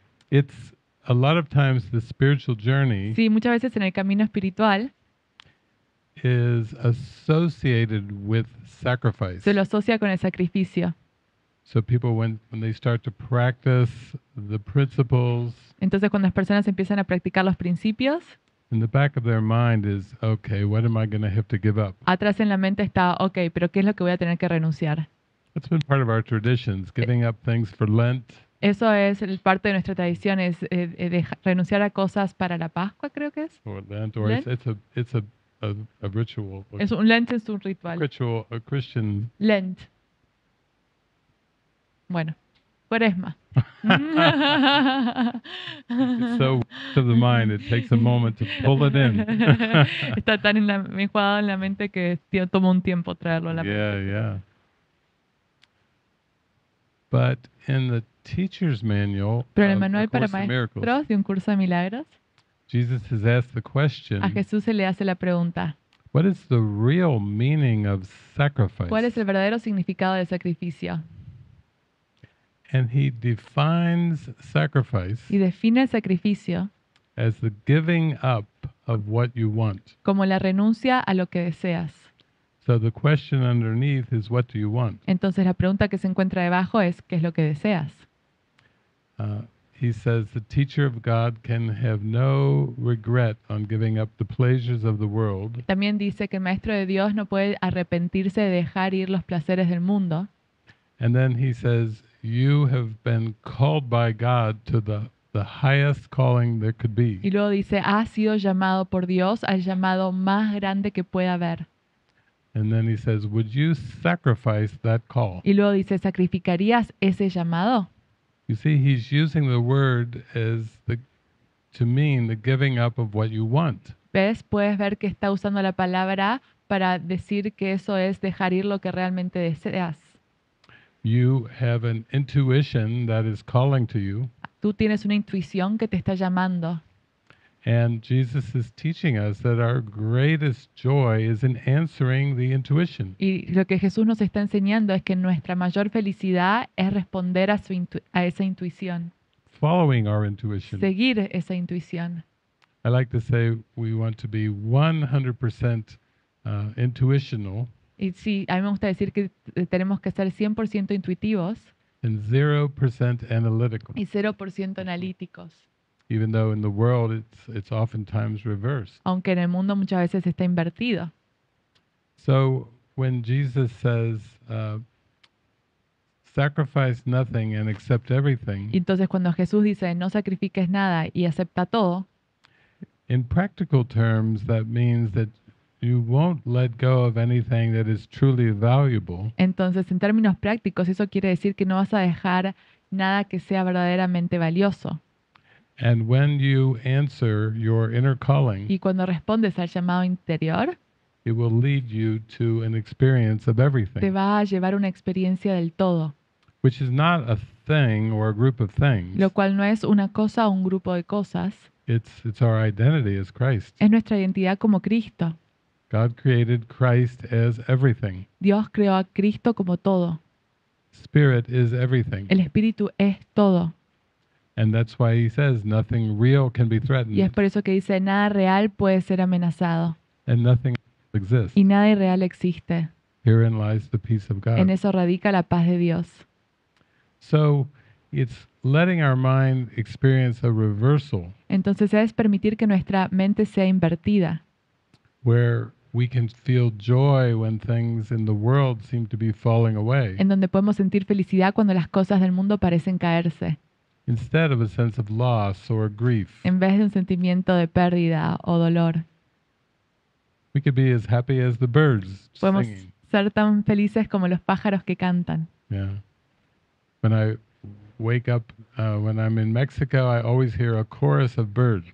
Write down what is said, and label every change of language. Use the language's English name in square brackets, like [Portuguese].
[English] It's a lot of times the spiritual journey. [Spanish] Sí, muchas veces en el camino espiritual [English] is associated with sacrifice. [Spanish] Se lo asocia con el sacrificio. [English] So people when they start to practice the principles. [Spanish] Entonces cuando las personas empiezan a practicar los principios. [English] In the back of their mind is, okay, what am I going to have to give up? [Spanish] Atrás en la mente está, okay, pero ¿qué es lo que voy a tener que renunciar? [English] That's been part of our traditions, giving up things for Lent. [Spanish] Eso es parte de nuestra tradición, es renunciar a cosas para la Pascua, creo que es. [English] Or Lent, or Lent? It's a ritual. [Spanish] Es un Lent, es un ritual. [English] Ritual, a Christian. Lent. [Spanish] Bueno, cuaresma. [English] It's so out of the mind, it takes a moment to pull it in. [Spanish] Está tan enjuagado en la mente que toma un tiempo traerlo a la mente. [English] Yeah, yeah. But in the teacher's manual, [Spanish] pero en el manual para maestros de un curso de milagros, [English] Jesus has asked the question, [Spanish] a Jesús se le hace la pregunta, [English] what is the real meaning of sacrifice? [Spanish] ¿Cuál es el verdadero significado del sacrificio? [English] And he defines sacrifice, [Spanish] y define el sacrificio, [English] as the giving up of what you want, [Spanish] como la renuncia a lo que deseas. [English] So the question underneath is, what do you want? [Spanish] Entonces la pregunta que se encuentra debajo es, ¿qué es lo que deseas? [English] He says the teacher of God can have no regret on giving up the pleasures of the world. [Spanish] También dice que el maestro de Dios no puede arrepentirse de dejar ir los placeres del mundo. [English] And then he says, you have been called by God to the highest calling there could be. [Spanish] Y luego dice, ha sido llamado por Dios al llamado más grande que pueda haber. [English] And then he says, would you sacrifice that call? [Spanish] Y luego dice, ¿sacrificarías ese llamado? [English] You see, he's using the word as to mean the giving up of what you want. [Spanish] ¿Ves? Puedes ver que está usando la palabra para decir que eso es dejar ir lo que realmente deseas. [English] You have an intuition that is calling to you. [Spanish] Tú tienes una intuición que te está llamando. [English] And Jesus is teaching us that our greatest joy is in answering the intuition. [Spanish] Y lo que Jesús nos está enseñando es que nuestra mayor felicidad es responder a esa intuición. [English] Following our intuition. [Spanish] Seguir esa intuición. [English] I like to say we want to be 100% intuitional. [Spanish] Y sí, a mí me gusta decir que tenemos que ser 100% intuitivos. [English] And 0% analytical. [Spanish] Y 0% analíticos. [English] Even though in the world it's oftentimes reversed. [Spanish] Aunque en el mundo muchas veces está invertido. [English] So when Jesus says sacrifice nothing and accept everything. [Spanish] Y entonces cuando Jesús dice no sacrifiques nada y acepta todo. [English] In practical terms, that means that you won't let go of anything that is truly valuable. [Spanish] Entonces, en términos prácticos, eso quiere decir que no vas a dejar nada que sea verdaderamente valioso. [English] And when you answer your inner calling, [Spanish] y cuando respondes al llamado interior, [English] it will lead you to an experience of everything. [Spanish] Te va a llevar una experiencia del todo. [English] Which is not a thing or a group of things. [Spanish] Lo cual no es una cosa o un grupo de cosas. [English] It's our identity as Christ. [Spanish] Es nuestra identidad como Cristo. [English] God created Christ as everything. [Spanish] Dios creó a Cristo como todo. [English] Spirit is everything. [Spanish] El espíritu es todo. [English] And that's why he says nothing real can be threatened. [Spanish] Y es por eso que dice nada real puede ser amenazado. [English] And nothing exists. [Spanish] Y nada real existe. [English] Herein lies the peace of God. [Spanish] En eso radica la paz de Dios. [English] So It's letting our mind experience a reversal. [Spanish] Entonces es permitir que nuestra mente sea invertida. [English] Where we can feel joy when things in the world seem to be falling away. [Spanish] En donde podemos sentir felicidad cuando las cosas del mundo parecen caerse. [English] Instead of a sense of loss or grief. [Spanish] En vez de un sentimiento de pérdida o dolor. [English] We could be as happy as the birds [Spanish] podemos [English] singing. [Spanish] Ser tan felices como los pájaros que cantan. [English] Yeah. When I wake up, when I'm in Mexico, I always hear a chorus of birds.